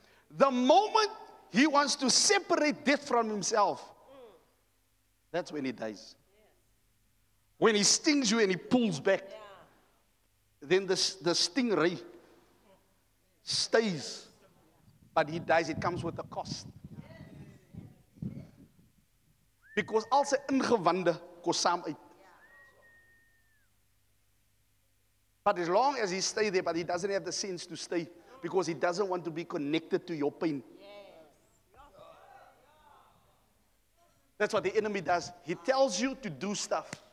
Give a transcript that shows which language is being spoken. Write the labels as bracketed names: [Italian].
[English] The moment he wants to separate death from himself, that's when he dies. When he stings you and he pulls back, then the stingray stays, but he dies. It comes with a cost. Because [Afrikaans] al sy ingewande kom saam uit. [English] But as long as he stay there, but he doesn't have the sense to stay because he doesn't want to be connected to your pain. That's what the enemy does. He tells you to do stuff.